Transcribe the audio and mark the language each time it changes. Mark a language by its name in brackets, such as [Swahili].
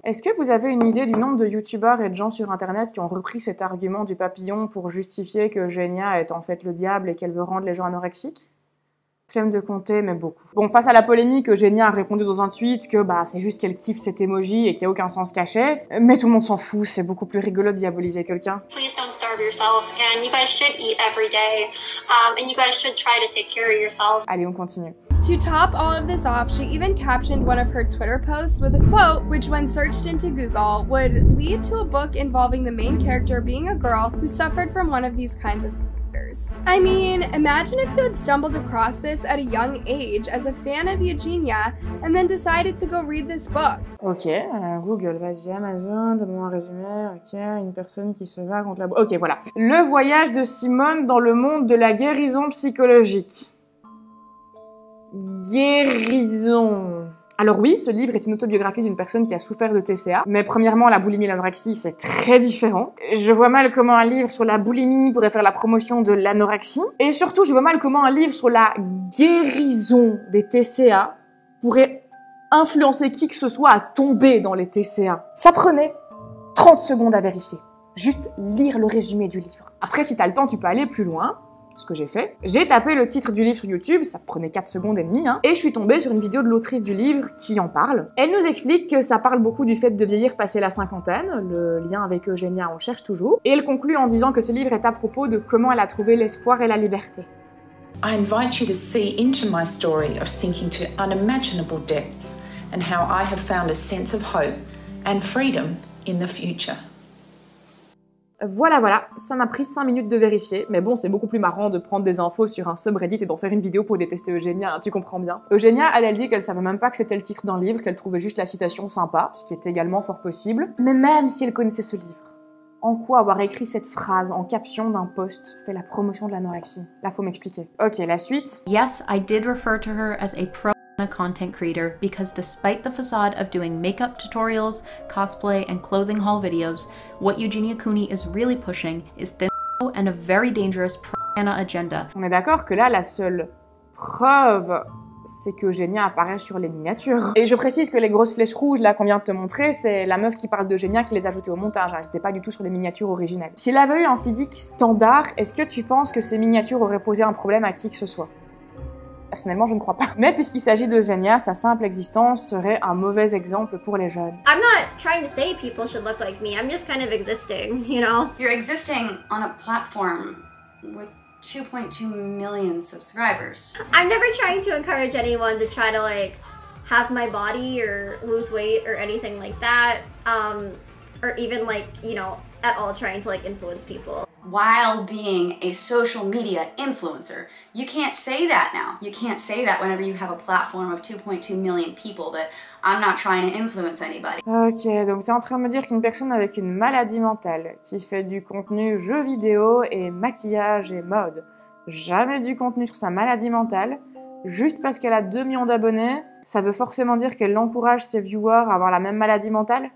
[French] Est-ce que vous avez une idée du nombre de youtubeurs et de gens sur internet qui ont repris cet argument du papillon pour justifier que Jenya est en fait le diable et qu'elle veut rendre les gens anorexiques ? Flemme de compter, mais beaucoup. Bon, face à la polémique, Jenya a répondu dans un tweet que bah c'est juste qu'elle kiffe cet emoji et qu'il n'y a aucun sens caché. Mais tout le monde s'en fout, c'est beaucoup plus rigolo de diaboliser quelqu'un. [English] Please don't starve yourself, and you guys should eat every day. And you guys should try to take care of yourself. [French] Allez, on continue. [English] To top all of this off, she even captioned one of her Twitter posts with a quote, which when searched into Google, would lead to a book involving the main character being a girl who suffered from one of these kinds of disorders. I mean, imagine if you had stumbled across this at a young age as a fan of Eugenia and then decided to go read this book. [French] Ok, Google, vas-y, Amazon, donne-moi un résumé, ok, une personne qui se bat contre la... Ok, voilà. Le voyage de Simone dans le monde de la guérison psychologique. Guérison. Alors oui, ce livre est une autobiographie d'une personne qui a souffert de TCA, mais premièrement, la boulimie et l'anorexie, c'est très différent. Je vois mal comment un livre sur la boulimie pourrait faire la promotion de l'anorexie, et surtout, je vois mal comment un livre sur la guérison des TCA pourrait influencer qui que ce soit à tomber dans les TCA. Ça prenait 30 secondes à vérifier. Juste lire le résumé du livre. Après, si t'as le temps, tu peux aller plus loin. Ce que j'ai fait. J'ai tapé le titre du livre sur YouTube, ça prenait 4 secondes et demie, hein, et je suis tombée sur une vidéo de l'autrice du livre qui en parle. Elle nous explique que ça parle beaucoup du fait de vieillir passer la cinquantaine, le lien avec Eugénia on cherche toujours, et elle conclut en disant que ce livre est à propos de comment elle a trouvé l'espoir et la liberté. [English] I invite you to see into my story of sinking to unimaginable depths and how I have found a sense of hope and freedom in the future. [French] Voilà, voilà, ça m'a pris 5 minutes de vérifier, mais bon, c'est beaucoup plus marrant de prendre des infos sur un subreddit et d'en faire une vidéo pour détester Eugénia, hein, tu comprends bien. Eugénia, elle dit qu'elle savait même pas que c'était le titre d'un livre, qu'elle trouvait juste la citation sympa, ce qui est également fort possible. Mais même si elle connaissait ce livre, en quoi avoir écrit cette phrase en caption d'un post fait la promotion de l'anorexie ? Là, faut m'expliquer. Ok, la suite. [English] Yes, I did refer to her as a pro content creator because despite the facade of doing makeup tutorials, cosplay, and clothing haul videos, what Eugenia Cooney is really pushing is thin and a very dangerous pro-Anna agenda. [French] On est d'accord que là, la seule preuve, c'est que Eugenia apparaît sur les miniatures. Et je précise que les grosses flèches rouges, là, qu'on vient de te montrer, c'est la meuf qui parle d'Eugenia qui les a ajoutées au montage. Hein. C'était pas du tout sur les miniatures originelles. S'il avait eu un physique standard, est-ce que tu penses que ces miniatures auraient posé un problème à qui que ce soit ? Personnellement, je ne crois pas. Mais puisqu'il s'agit d'Eugenia, sa simple existence serait un mauvais exemple pour les jeunes. [English] I'm not trying to say people should look like me. I'm just kind of existing, you know? You're existing on a platform with 2.2 million subscribers. I'm never trying to encourage anyone to try to like have my body or lose weight or anything like that. Or even like, you know, at all trying to like influence people. While being a social media influencer, you can't say that now. You can't say that whenever you have a platform of 2.2 million people that I'm not trying to influence anybody. [French] Ok, donc t'es en train de me dire qu'une personne avec une maladie mentale qui fait du contenu jeux vidéo et maquillage et mode, jamais du contenu sur sa maladie mentale, juste parce qu'elle a 2 millions d'abonnés, ça veut forcément dire qu'elle encourage ses viewers à avoir la même maladie mentale?